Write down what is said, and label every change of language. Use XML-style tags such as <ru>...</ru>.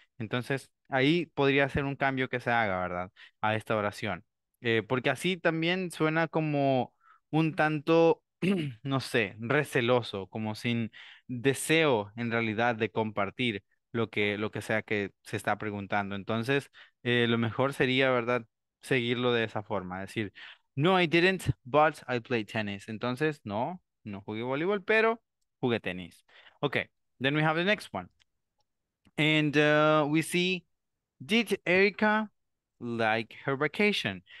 <es>Entonces, ahí podría ser un cambio que se haga, ¿verdad? A esta oración. Porque así también suena como un tanto, no sé, receloso, como sin deseo en realidad de compartir lo que sea que se está preguntando. Entonces, lo mejor sería, ¿verdad? Seguirlo de esa forma. Decir, no,</es> <en>I didn't, but I played tennis.</en> <es>Entonces, no, no jugué voleibol, pero jugué tenis.</es> <en>Okay, then we have the next one. And we see, did Erica like her vacation?</en>